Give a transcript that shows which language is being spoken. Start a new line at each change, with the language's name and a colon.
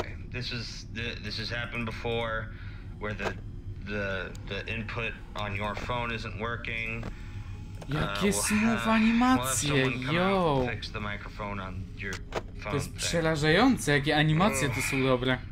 English: This has happened before, where the input on your phone isn't working.
Polish: Jakie
English: smooth
Polish: animacje, yo!
English: Fix the microphone on your phone.
Polish: To jest przerażające, jakie animacje to są dobre.